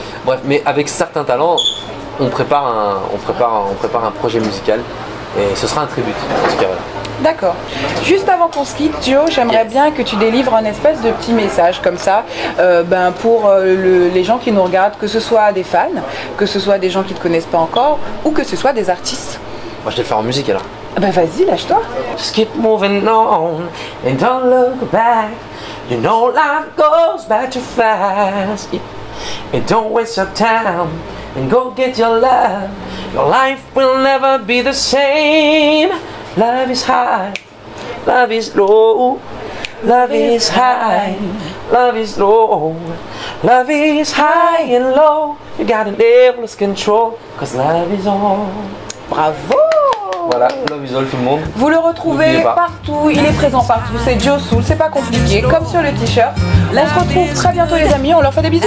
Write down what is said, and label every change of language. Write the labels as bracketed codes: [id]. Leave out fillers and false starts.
[fr] Bref, mais avec certains talents, on prépare un projet musical et ce sera un tribute en tout cas. D'accord. Juste avant qu'on se quitte, Joe, j'aimerais bien que tu délivres un espèce de petit message comme ça pour les gens qui nous regardent, que ce soit des fans, que ce soit des gens qui ne te connaissent pas encore ou que ce soit des artistes. Moi je vais le faire en musique alors. Ben vas-y, lâche-toi. [en] Skip moving on and don't look back. You know life goes by too fast. And don't waste your time and go get your love. Your life will never be the same. Love is high, love is low. Love is high, love is low. Love is high and low. You got an endless control, 'cause love is all. [fr] Bravo. Voilà, [en] love is all [fr] tout le monde. Vous le retrouvez partout, il est présent partout. C'est Joe Soul, c'est pas compliqué, comme sur le t-shirt. On se retrouve très bientôt les amis, on leur fait des bisous.